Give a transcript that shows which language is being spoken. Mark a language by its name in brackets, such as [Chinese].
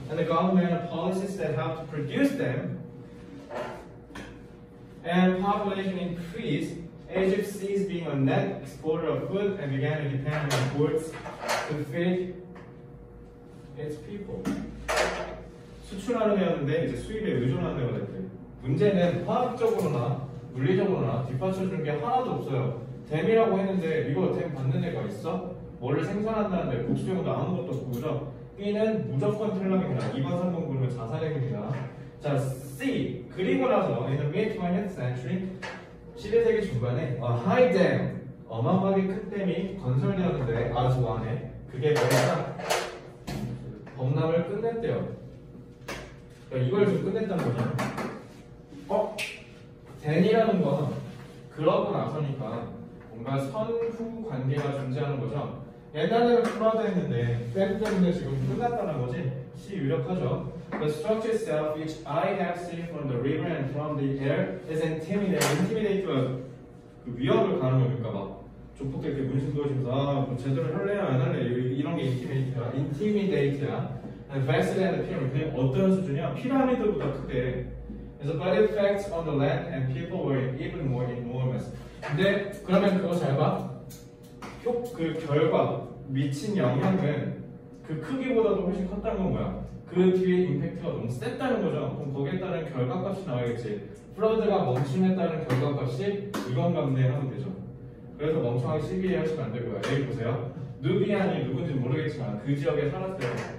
[English] And the government policies that help to produce them. And population increased, Egypt ceased being a net exporter of food and began to depend on imports to feed its people. [Korean] 수출하는 애였는데 이제 수입에 의존하는 애가 됐대. 문제는 화학적으로나 물리적으로나 뒷받쳐주는 게 하나도 없어요. 댐이라고 했는데 이거 댐 받는 애가 있어? 뭘 생산한다는데 복수용도 아무것도 없고 그죠? B는 무조건 틀렁입니다. 2번, 3번 자살행입니다. 자, C. 그리고 나서 [English] in the mid-20th century [Korean] 11세기 중반에 [English] a high dam [Korean] 어마어마하게 큰 댐이 건설되었는데 아 좋아하네 그게 뭐냐 범람을 끝냈대요. 그러니까 이걸 좀 끝냈단 거냐. 어? 댐이라는 건 그러고 나서니까 뭔가 선후 관계가 존재하는 거죠. 옛날에는 플러드했는데 댐 때문에 지금 끝났다는 거지. C 유력하죠. [English] The structure itself, which I have seen from the river and from the air, is intimidating. [Korean] Intimidating은 그 위협을 가는 거니까 막 조폭들 이렇게 문신 보여주면서 아, 제대로 할래야 안 할래 이런 게 intimidating야. [English] Intimidating야. And vastly than the pyramid. [Korean] 어떤 수준이야? 피라미드보다 크대. [English] And so, but effects on the land and people were even more enormous. [Korean] 근데 그러면 그거 잘 봐. 그 결과 미친 영향은 그 크기보다도 훨씬 컸다는 건 뭐야? 그 뒤에 임팩트가 너무 셌다는 거죠. 그럼 거기에 따른 결과값이 나와야겠지. 플러드가 멈춤했다는 결과값이 이건 같네 하면 되죠. 그래서 멍청하게 시비에 하시면 안 되고요. 여기 보세요. 누비안이 누군지 모르겠지만 그 지역에 살았대요.